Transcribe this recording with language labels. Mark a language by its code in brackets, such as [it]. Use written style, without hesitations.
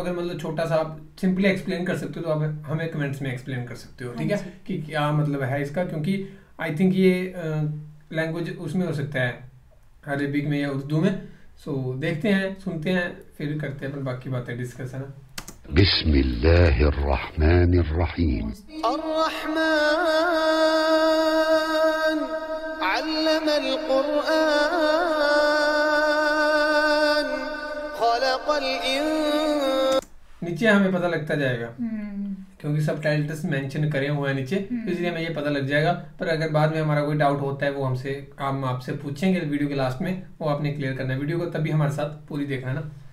[hi] अगर मतलब छोटा सा आप सिंपली एक्सप्लेन कर सकते हो तो आप हमें कमेंट्स में एक्सप्लेन कर सकते हो ठीक है, कि क्या मतलब है इसका, क्योंकि आई थिंक ये लैंग्वेज उसमें हो सकता है अरेबिक में या उर्दू में. सो देखते हैं, सुनते हैं, फिर करते हैं अपन बाकी बातें डिस्कस, है ना. [ar] بسم الله الرحمن الرحيم. الرحمن علم القرآن خلق الإنسان. [hi] نیچے ہمیں پتہ لگتا جائے گا क्योंकि सब टाइटल्स मेंशन करे हुए हैं नीचे, इसलिए हमें ये पता लग जाएगा. पर अगर बाद में हमारा कोई डाउट होता है वो हमसे हम आपसे पूछेंगे वीडियो के लास्ट में, वो आपने क्लियर करना है वीडियो को, तभी हमारे साथ पूरी देखना है ना.